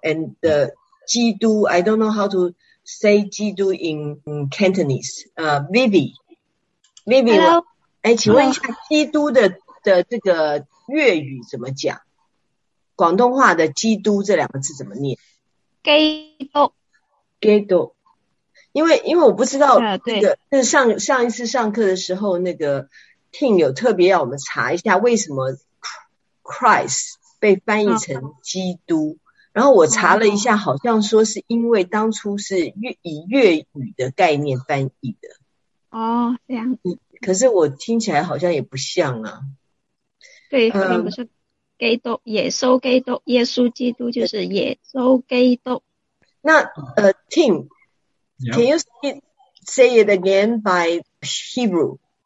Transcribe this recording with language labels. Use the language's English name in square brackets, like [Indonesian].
[English] And the 基督, I don't know how to say 基督 in Cantonese. Vivi, Hello. [Chinese] 请问一下基督的这个粤语怎么讲？广东话的基督这两个字怎么念？基督，基督。因为我不知道这个，对，是上一次上课的时候，那个 Tim 有特别要我们查一下为什么 Christ 被翻译成基督。然后我查了一下，好像说是因为当初是以粤语的概念翻译的。哦，这样子。可是我听起来好像也不像啊。对，可能不是。基督，耶稣基督，耶稣基督就是耶稣基督。 [English] 那Tim, can you say it again by Hebrew?